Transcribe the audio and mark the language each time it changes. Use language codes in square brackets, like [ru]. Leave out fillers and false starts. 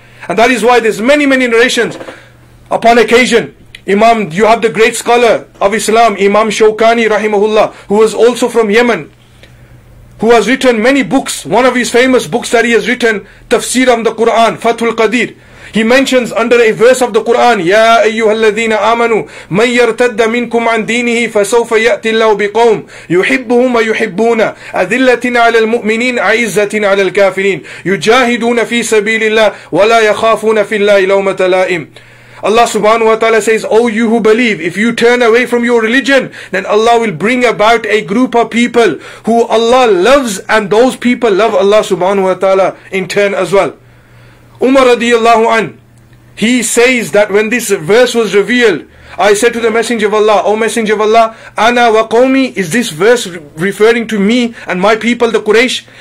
[en] And that is why there's many, many narrations. Upon occasion, Imam, you have the great scholar of Islam, Imam Shawkani rahimahullah, who was also from Yemen, who has written many books. One of his famous books that he has written, Tafsir of the Quran, Fathul Qadir. [ar] He mentions under a verse of the Quran, يَا أَيُّهَا الَّذِينَ آمَنُوا مَنْ يَرْتَدَّ مِنْكُمْ عَنْ دِينِهِ فَسَوْفَ يَأْتِ اللَّهُ بِقَوْمٍ يُحِبُّهُمْ وَيُحِبُّونَ أَذِلَّةٍ عَلَى الْمُؤْمِنِينَ عَيْزَّةٍ عَلَى الْكَافِرِينَ يُجَاهِدُونَ فِي سَبِيلِ اللَّهِ وَلَا يَخَافُونَ فِي اللَّهِ لَوْمَةَ لَائِمٍ. [en] Allah subhanahu wa ta'ala says, O you who believe, if you turn away from your religion, then Allah will bring about a group of people who Allah loves, and those people love Allah subhanahu wa ta'ala in turn as well. Umar radiallahu anhu, he says that when this verse was revealed, I said to the Messenger of Allah, O Messenger of Allah, [ar] ana wa qawmi, [en] is this verse referring to me and my people, the Quraysh?